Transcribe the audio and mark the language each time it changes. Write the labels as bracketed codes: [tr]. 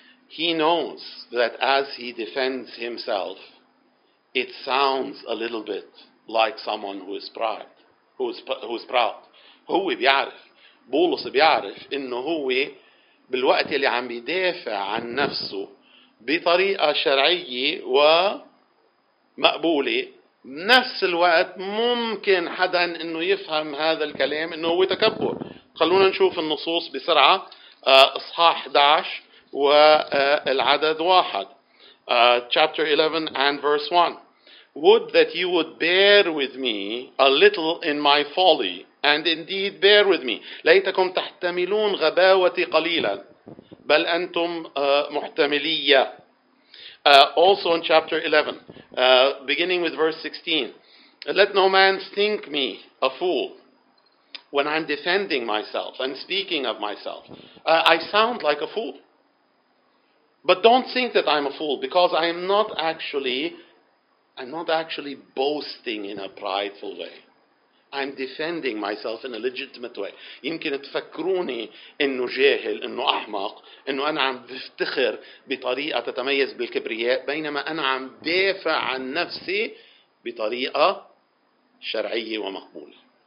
[en] He knows that as he defends himself, it sounds a little bit like someone who is proud. Who is proud. [ar] هو بيعرف. بولس بيعرف إنه هو بالوقت اللي عم بيدافع عن نفسه بطريقة شرعية ومقبولة. نفس الوقت ممكن حدا إنه يفهم هذا الكلام إنه هو تكبر. خلونا نشوف النصوص بسرعة. إصحاح 11 والعدد واحد. [en] Chapter 11 and verse 1. Would that you would bear with me a little in my folly, and indeed bear with me. [ar] ليتكم تحتملون غباوتي قليلا بل أنتم محتملية. [en] Also in chapter 11, beginning with verse 16. Let no man think me a fool when I'm defending myself and speaking of myself. I sound like a fool. But don't think that I'm a fool, because I'm not actually boasting in a prideful way. I'm defending myself in a legitimate way. [ar] يمكن تفكروني إنه جاهل، إنه أحمق، إنه أنا عم بفتخر بطريقة تتميز بالكبرياء، بينما أنا عم دافع عن نفسي بطريقة شرعية ومقبولة.